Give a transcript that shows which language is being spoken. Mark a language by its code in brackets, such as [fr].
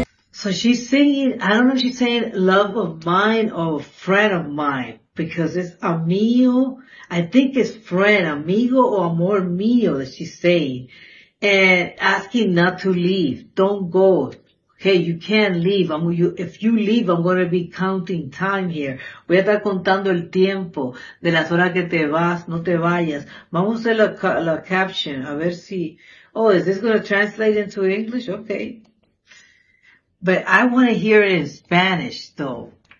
[en] So she's singing, I don't know if she's saying love of mine or friend of mine, because it's amigo, I think it's friend, [es] amigo o amor mío [en] that she's saying, and asking not to leave, don't go. Hey, you can't leave. If you leave, I'm going to be counting time here. [es] Voy a estar contando el tiempo de las horas que te vas. No te vayas. Vamos a hacer la caption. A ver si... [en] Oh, is this going to translate into English? Okay. But I want to hear it in Spanish, though.